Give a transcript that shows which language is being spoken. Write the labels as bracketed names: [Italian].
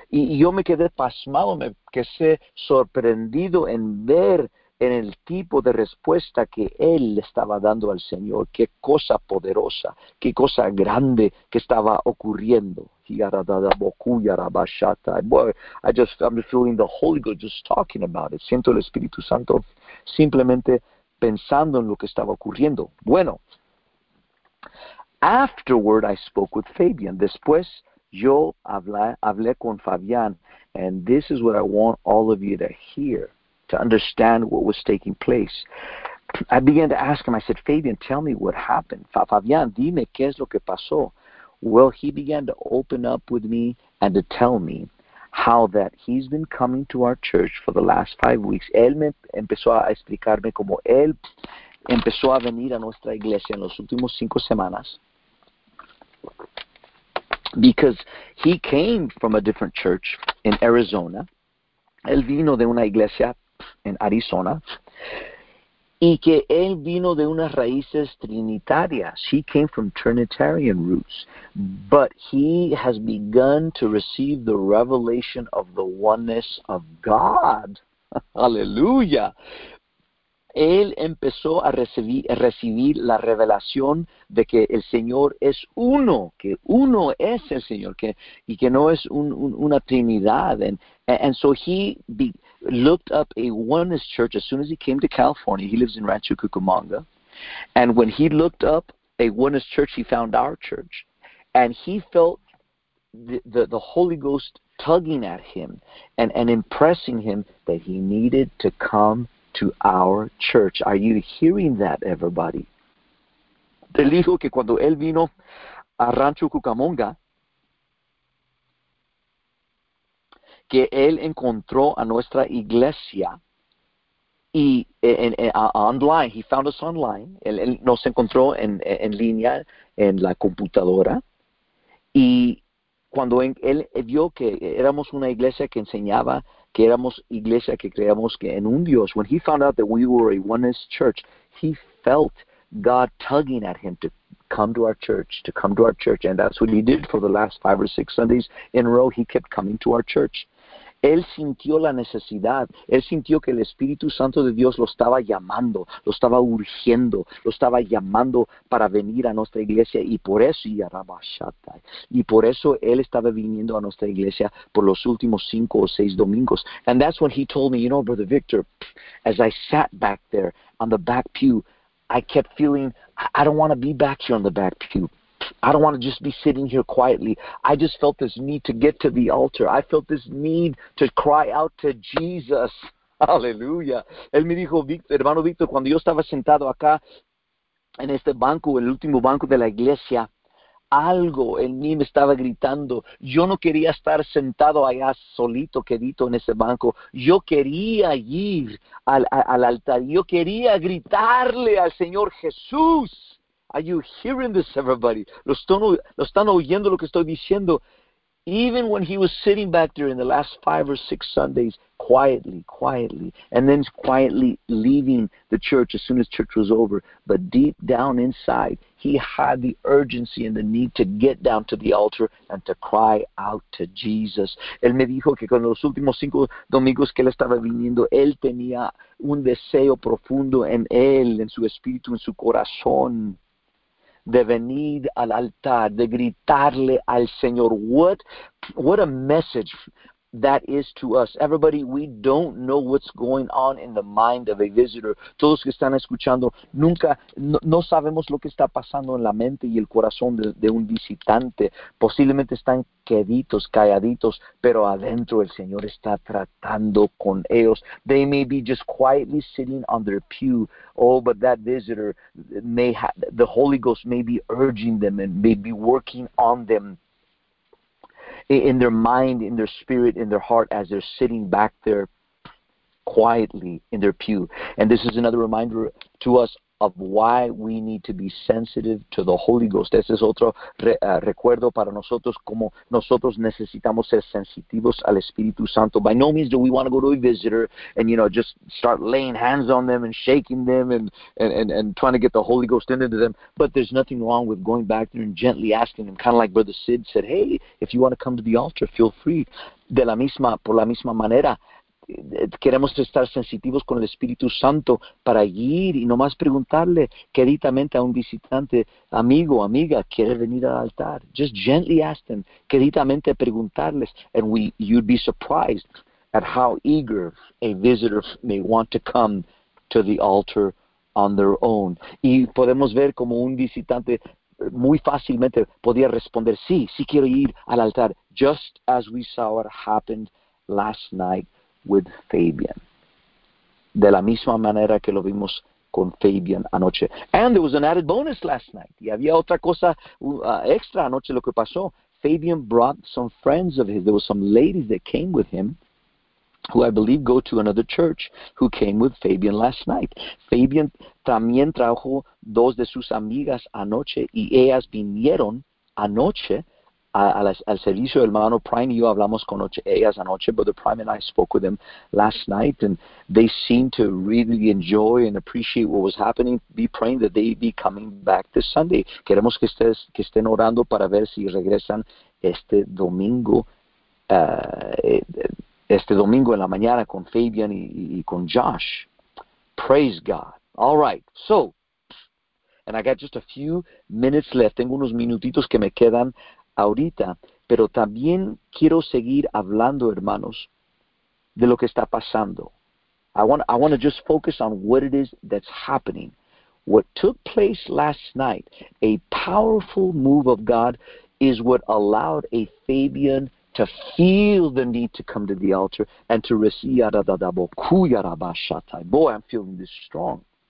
[Spanish] Y yo me quedé pasmado, me quedé sorprendido en ver en el tipo de respuesta que él estaba dando al Señor. Qué cosa poderosa, qué cosa grande que estaba ocurriendo. [English] Boy, I'm just feeling the Holy Ghost just talking about it. [Spanish] Siento el Espíritu Santo simplemente pensando en lo que estaba ocurriendo. [English] Bueno, afterward I spoke with Fabian. [Spanish] Después yo hablé con Fabián. [English] And this is what I want all of you to hear, to understand what was taking place. I began to ask him, I said, Fabian, tell me what happened. Fabian, [Spanish] dime qué es lo que pasó. [English] Well, he began to open up with me and to tell me how that he's been coming to our church for the last 5 weeks. [Spanish] Él me empezó a explicarme cómo él empezó a venir a nuestra iglesia en los últimos 5 semanas. [English] Because he came from a different church in Arizona. [Spanish] Él vino de una iglesia en Arizona, y que él vino de unas raíces trinitarias. [English] He came from Trinitarian roots, but he has begun to receive the revelation of the oneness of God. Hallelujah. [Spanish] Él empezó a recibir la revelación de que el Señor es uno, que uno es el Señor, que no es una Trinidad. [English] And so he looked up a oneness church as soon as he came to California. He lives in Rancho Cucamonga. And when he looked up a oneness church, he found our church. And he felt the Holy Ghost tugging at him and impressing him that he needed to come to our church. Are you hearing that, everybody? [Spanish] Te dijo que cuando él vino a Rancho Cucamonga, que él encontró a nuestra iglesia, y online, [English] he found us online, [Spanish] él nos encontró en línea, en la computadora, y cuando él vio que éramos una iglesia que enseñaba que éramos iglesia, que creíamos que en un Dios. [English] When he found out that we were a oneness church, he felt God tugging at him to come to our church, to come to our church. And that's what he did for the last 5 or 6 Sundays in a row. He kept coming to our church. [Spanish] Él sintió la necesidad. Él sintió que el Espíritu Santo de Dios lo estaba llamando, lo estaba urgiendo, lo estaba llamando para venir a nuestra iglesia. Y por eso él estaba viniendo a nuestra iglesia por los últimos 5 o 6 domingos. [English] And that's when he told me, you know, Brother Victor, as I sat back there on the back pew, I kept feeling, I don't want to be back here on the back pew. I don't want to just be sitting here quietly. I just felt this need to get to the altar. I felt this need to cry out to Jesus. Hallelujah. [Spanish] Él me dijo, hermano Víctor, cuando yo estaba sentado acá en este banco, el último banco de la iglesia, algo en mí me estaba gritando. Yo no quería estar sentado allá solito, quedito en ese banco. Yo quería ir al altar. Yo quería gritarle al Señor Jesús. [English] Are you hearing this, everybody? [Spanish] ¿Lo están oyendo lo que estoy diciendo? [English] Even when he was sitting back there in the last 5 or 6 Sundays, quietly, and then quietly leaving the church as soon as church was over, but deep down inside, he had the urgency and the need to get down to the altar and to cry out to Jesus. [Spanish] Él me dijo que con los últimos 5 domingos que él estaba viniendo, él tenía un deseo profundo en él, en su espíritu, en su corazón, de venir al altar, de gritarle al Señor. [English] What a message that is to us. Everybody, we don't know what's going on in the mind of a visitor. [Spanish] Todos que están escuchando, nunca, no sabemos lo que está pasando en la mente y el corazón de un visitante. Posiblemente están queditos, calladitos, pero adentro el Señor está tratando con ellos. [English] They may be just quietly sitting on their pew. Oh, but that visitor, the Holy Ghost may be urging them and may be working on them in their mind, in their spirit, in their heart, as they're sitting back there quietly in their pew. And this is another reminder to us of why we need to be sensitive to the Holy Ghost. [Spanish] Este es otro recuerdo para nosotros, como nosotros necesitamos ser sensitivos al Espíritu Santo. [English] By no means do we want to go to a visitor and, you know, just start laying hands on them and shaking them and trying to get the Holy Ghost into them. But there's nothing wrong with going back there and gently asking them, kind of like Brother Sid said, hey, if you want to come to the altar, feel free. [Spanish] Por la misma manera, queremos estar sensitivos con el Espíritu Santo para ir y nomás preguntarle queridamente a un visitante, amigo, amiga, ¿quiere venir al altar? [English] Just gently ask them, [Spanish] queridamente preguntarles, [English] and you'd be surprised at how eager a visitor may want to come to the altar on their own. [Spanish] Y podemos ver como un visitante muy fácilmente podía responder, sí, sí quiero ir al altar, [English] just as we saw what happened last night with Fabian. [Spanish] De la misma manera que lo vimos con Fabian anoche. [English] And there was an added bonus last night. [Spanish] Y había otra cosa extra anoche lo que pasó. [English] Fabian brought some friends of his. There were some ladies that came with him, who I believe go to another church, who came with Fabian last night. [Spanish] Fabian también trajo dos de sus amigas anoche, y ellas vinieron anoche al servicio del hermano Prime. Y yo hablamos con ellas anoche, [English] Brother Prime and I spoke with them last night, and they seemed to really enjoy and appreciate what was happening. Be praying that they be coming back this Sunday. [Spanish] Queremos que estén orando para ver si regresan este domingo en la mañana con Fabian y con Josh. [English] Praise God. All right, so, and I got just a few minutes left. [Spanish] Tengo unos minutitos que me quedan ahorita, pero también quiero seguir hablando, hermanos, de lo que está pasando. [English] I want to just focus on what it is that's happening. What took place last night, a powerful move of God, is what allowed a Fabian to feel the need to come to the altar and to receive. Boy, I'm feeling this strong.